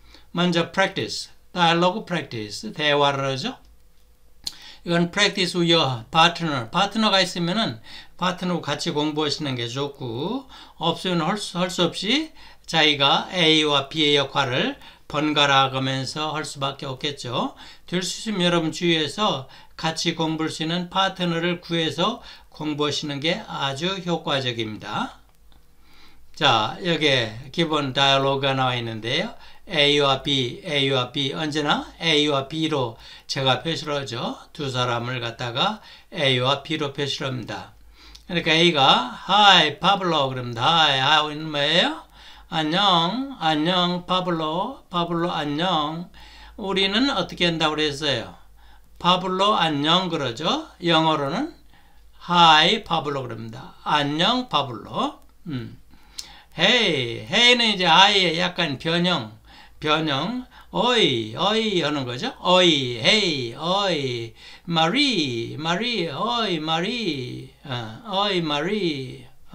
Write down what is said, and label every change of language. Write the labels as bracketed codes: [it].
[ko] 먼저 [en] practice, dialogue practice, [ko] 대화를 하죠. 이건 [en] practice with your partner. [ko] 파트너가 있으면은 파트너와 같이 공부하시는 게 좋고 없으면 할 수 없이 자기가 A와 B의 역할을 번갈아 가면서 할 수밖에 없겠죠. 될 수 있으면 여러분 주위에서 같이 공부할 수 있는 파트너를 구해서 공부하시는 게 아주 효과적입니다. 자, 여기에 기본 다이얼로그가 나와 있는데요. A와 B, A와 B, 언제나 A와 B로 제가 표시를 하죠. 두 사람을 갖다가 A와 B로 표시를 합니다. 그러니까 A가 [en] Hi, Pablo. [ko] 그럽니다. [en] Hi, how are you? [ko] 뭐예요? 안녕, 안녕, Pablo. Pablo, 안녕. 우리는 어떻게 한다고 그랬어요? Pablo, 안녕 그러죠. 영어로는 [en] Hi, Pablo. [ko] 그럽니다. 안녕, Pablo. Hey, Hey는 이제 I의 약간 변형. 변형, 어이, 어이 하는 거죠. 어이, 헤이, 어이, 마리, 마리, 어이, 마리, 어이, 마리.